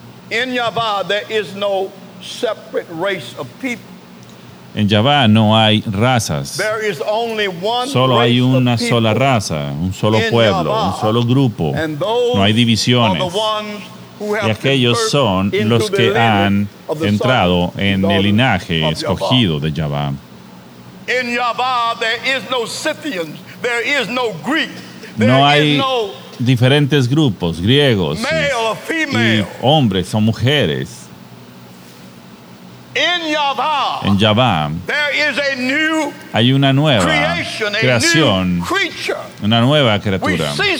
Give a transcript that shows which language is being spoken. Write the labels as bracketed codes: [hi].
[en] In Yahvá there is no separate race of people. [es] En Yahvá no hay razas. [en] There is only one [es] solo hay una sola raza, un solo pueblo, Yahvá, un solo grupo. [en] And those [es] no hay divisiones. [en] Are the ones [es] y aquellos son los que han entrado en el linaje escogido de Jehová. [en] In Yahweh, there is no Scythian, there is no Greek, [es] no hay diferentes grupos, griegos, y hombres o mujeres. En Yahweh, hay una nueva creación, una nueva criatura.